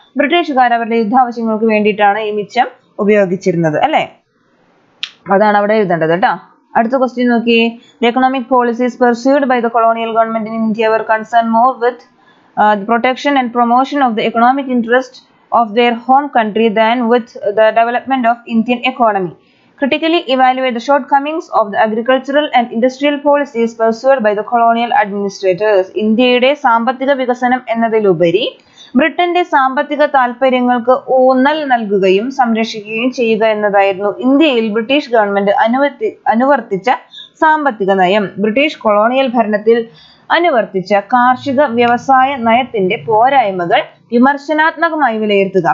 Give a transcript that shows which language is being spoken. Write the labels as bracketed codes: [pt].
[ml] ബ്രിട്ടീഷുകാർ അവരുടെ യുദ്ധാവശ്യങ്ങൾക്ക് വേണ്ടിയിട്ടാണ് ഈ മിച്ചം ഉപയോഗിച്ചിരുന്നത് അല്ലേ. അതാണ് അവിടെ എഴുതേണ്ടത് കേട്ടോ. അടുത്ത ക്വസ്റ്റ്യൻ നോക്കി. [en] The economic policies pursued by the colonial government in India were concern more with the protection and promotion of the economic interest of their home country than with the development of Indian economy. Critically evaluate the shortcomings of the agricultural and industrial policies pursued by the colonial administrators. [ml] ഇന്ത്യയുടെ സാമ്പത്തിക വികസനം എന്നതിലുപരി ബ്രിട്ടന്റെ സാമ്പത്തിക താല്പര്യങ്ങൾക്ക് ഊന്നൽ നൽകുകയും സംരക്ഷിക്കുകയും ചെയ്യുക എന്നതായിരുന്നു ഇന്ത്യയിൽ ബ്രിട്ടീഷ് ഗവൺമെന്റ് അനുവർത്തിച്ച സാമ്പത്തിക നയം. ബ്രിട്ടീഷ് കൊളോണിയൽ ഭരണത്തിൽ അനുവർത്തിച്ച കാർഷിക വ്യവസായ നയത്തിന്റെ പോരായ്മകൾ വിമർശനാത്മകമായി വിലയിരുത്തുക.